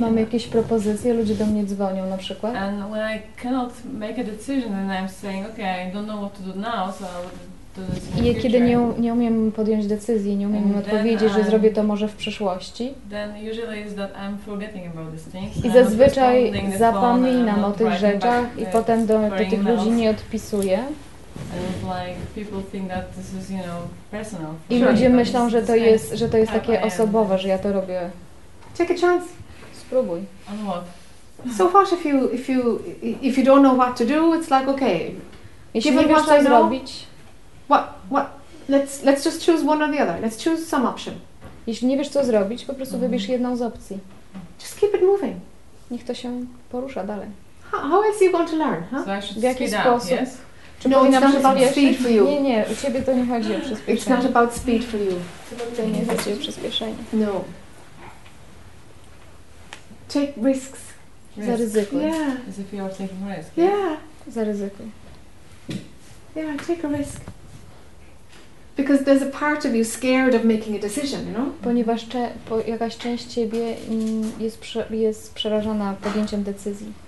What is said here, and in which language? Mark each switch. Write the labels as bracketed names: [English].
[Polish] Mam jakieś propozycje, ludzie do mnie dzwonią na przykład. [English] And when I cannot make a decision and I'm saying, okay, I don't know what to do now, so I'll do this in the future. [Polish] Kiedy nie umiem podjąć decyzji, nie umiem odpowiedzieć, że zrobię to może w przyszłości. [English] Then usually is that I'm forgetting about these things. [Polish] I zazwyczaj zapominam o tych rzeczach i potem do tych ludzi nie odpisuję. [English] And like people think that this is, you know, personal. [Polish] I ludzie myślą, że to jest takie osobowe, że ja to robię. [English] Take a chance. [Polish] Spróbuj. [English] On what? So far, if you don't know what to do, it's like okay. [Polish] Jeśli nie wiesz, co zrobić. [English] What? Let's just choose one or the other. Let's choose some option. [Polish] Jeśli nie wiesz, co zrobić, po prostu wybierz jedną z opcji. [English] Just keep it moving. [Polish] Niech to się porusza dalej. [English] How else are you going to learn? [Polish] W jaki sposób? [English] Yes? [Polish] Czy no, [English] it's not about speed for you. [Polish] Nie, u ciebie to nie chodzi o przyspieszenie. [English] It's not about speed for you. [Polish] To nie chodzi o przyspieszenie. [English] No. Take risks. [Polish] Zaryzykuj. [English] Yeah. As if you are taking risk. Yeah. [Polish] Zaryzykuj. [English] Yeah, take a risk. Because there's a part of you scared of making a decision, you know? [Polish] Ponieważ jakaś część ciebie jest przerażona podjęciem decyzji.